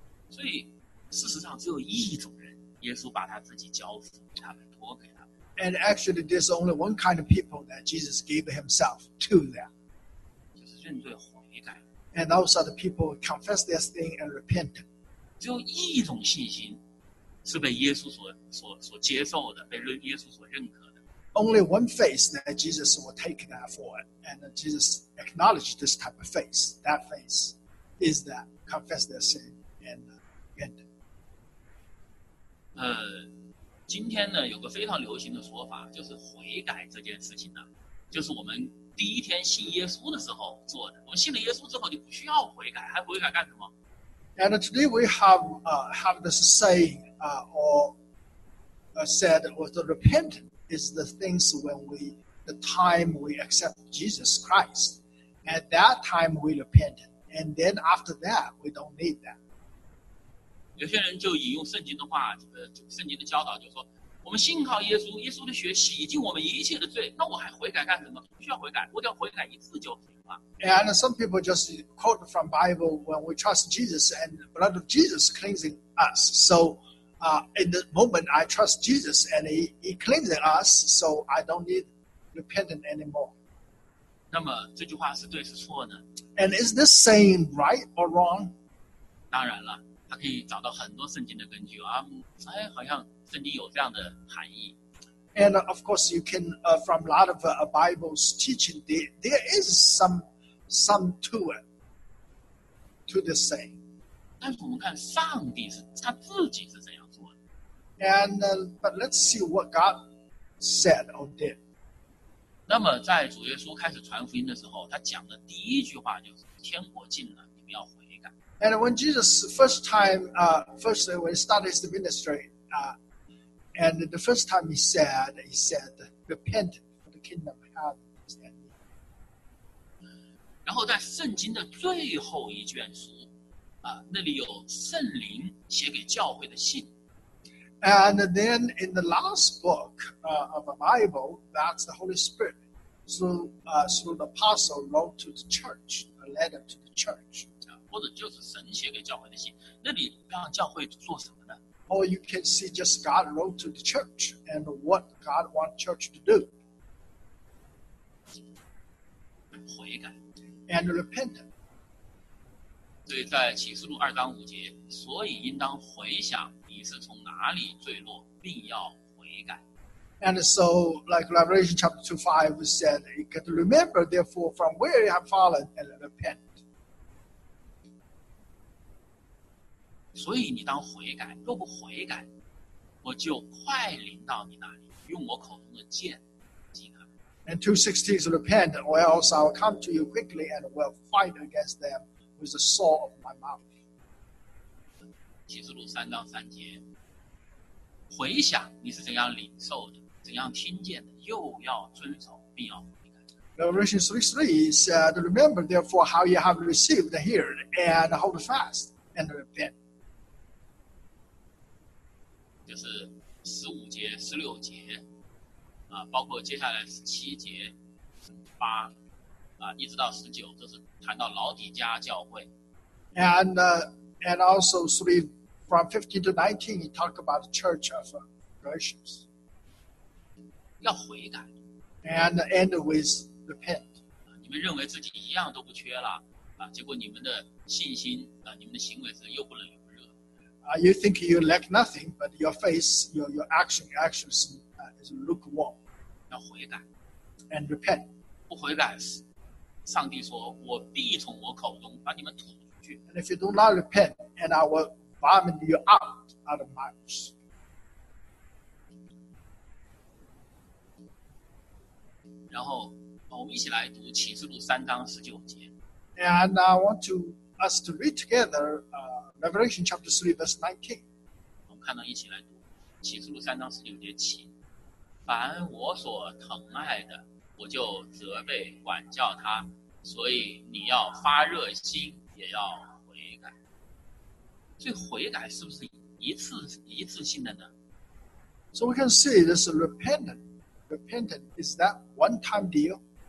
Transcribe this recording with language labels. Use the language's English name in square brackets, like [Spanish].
[Chinese] 所以，事实上只有一种人，耶稣把他自己交付给他们，托给他们。 [English] And actually, there's only one kind of people that Jesus gave himself to them. [Chinese] 就是认罪悔改。 [English] And those are the people who confess their sin and repent. [Chinese] 只有一种信心是被耶稣所接受的，被耶稣所认可的。 [English] Only one faith that Jesus will take that for, and Jesus acknowledged this type of faith. That faith is that confess their sin and repent. [Chinese] 今天呢有个非常流行的说法，就是悔改这件事情呢，就是我们第一天信耶稣的时候做的。我们信了耶稣之后就不需要悔改，还悔改干什么？ [English] And today we have this saying said with the repentance is the things when we, the time we accept Jesus Christ. At that time we repent. And then after that, we don't need that. [Chinese] 有些人就引用圣经的话，圣经的教导，就说我们信靠耶稣，耶稣的血洗净我们一切的罪，那我还悔改干什么？不需要悔改，我只要悔改一次就行了。 [English] And some people just quote from Bible when we trust Jesus and the blood of Jesus cleansing us. So, in the moment I trust Jesus and he cleansing us, so I don't need repentant anymore. [Chinese] 那么这句话是对是错呢？ [English] And is this saying right or wrong? [Chinese] 当然了。他可以找到很多圣经的根据啊，哎，好像圣经有这样的含义。 [English] And of course, you can from a lot of Bible's teaching, there is some to it, to this saying. [Chinese] 但是我们看上帝是他自己是怎样做的。 [English] And but let's see what God said or did. [Chinese] 那么在主耶稣开始传福音的时候，他讲的第一句话就是天国近了，你们要回。 [English] And when Jesus when he started his ministry, and the first time he said, repent for the kingdom of heaven. [Chinese] 然后在圣经的最后一卷书，那里有圣灵写给教会的信。 [English] And then in the last book, of the Bible, that's the Holy Spirit, through the apostle wrote to the church, a letter to the church. [Chinese] 或者就是神写给教会的信，那你让教会做什么呢？ [English] Or you can see just God wrote to the church and what God wants church to do. [Chinese] 悔改。 [English] And repentance. [Chinese] 所以在启示录二章五节，所以应当回想你是从哪里坠落，并要悔改。 [English] And so, like Revelation chapter 2:5 said, you got to remember therefore from where you have fallen and repent. [Chinese] 所以你当悔改，若不悔改，我就快临到你那里，用我口中的剑击他。 [English] And 2:16 is repent, or else I will come to you quickly and will fight against them with the sword of my mouth. [Chinese] 启示录三章三节，回想你是怎样领受的，怎样听见的，又要遵守，并要悔改。 [English] Revelation 3:3 said, remember therefore how you have received and heard, and hold fast and repent. [Chinese] 就是十五节、十六节，包括接下来十七节、八，一直到十九，这是谈到老底家教会。 [English] And and also three from 15 to 19, he talk about the church of Galatians. [Chinese] 要悔改。 [English] And end with repent. [Chinese] 你们认为自己一样都不缺了，结果你们的信心，你们的行为是又不能。 [English] You think you lack nothing, but your face, your actions, is lukewarm. [Chinese] 要悔改 [English] and repent. [Chinese] 不悔改，上帝说，我必从我口中把你们吐出去。 [English] And if you do not repent, and I will vomit you out of my mouth. [Chinese] 然后我们一起来读启示录三章十九节。 [English] And I want us to read together. Revelation chapter 3, verse 19. [Chinese] 我们看到一起来读启示录三章十九节起，凡我所疼爱的，我就责备管教他，所以你要发热心，也要悔改。所以悔改是不是一次性的呢？ [English] So we can see this repentance is that one time deal.